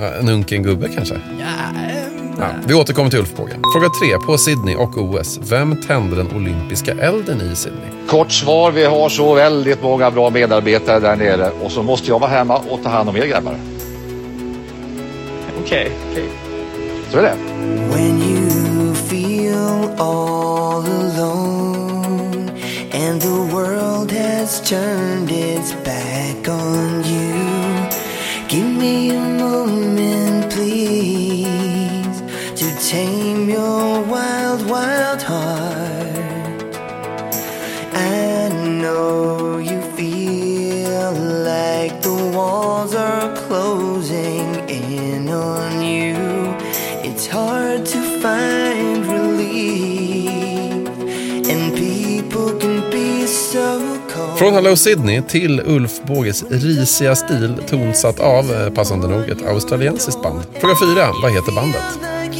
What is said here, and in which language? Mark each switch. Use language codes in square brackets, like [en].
[sv] En unken gubbe kanske? Nej. Ja, vi återkommer till Ulf Båge. Fråga 3 på Sydney och OS. Vem tänder den olympiska elden i Sydney? Kort svar, vi har så väldigt många bra medarbetare där nere. Och så måste jag vara hemma och ta hand om er grabbar. Okej. Så är det. [en] When you feel all alone and the world has turned its back on you, give me a moment please to tame your wild, wild heart. I know you feel like the walls are closing on you, it's hard to find relief and people can be so cold. [sv] Från Hello Sydney till Ulf Båges risiga stil tonsatt av, passande nog, ett australiensiskt band. Fråga 4, vad heter bandet?